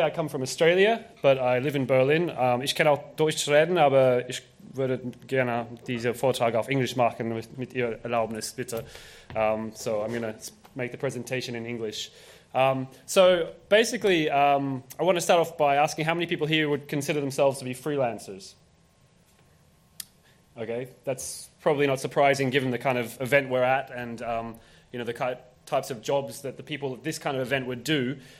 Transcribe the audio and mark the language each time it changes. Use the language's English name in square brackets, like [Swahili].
[English] I come from Australia, but I live in Berlin. [German] Ich kann auch Deutsch reden, aber ich würde gerne diesen Vortrag auf Englisch machen, mit Ihrer Erlaubnis, bitte. [English] So I'm going to make the presentation in English. So basically, I want to start off by asking how many people here would consider themselves to be freelancers? Okay, that's probably not surprising given the kind of event we're at and the kind of types of jobs that the people at this kind of event would do.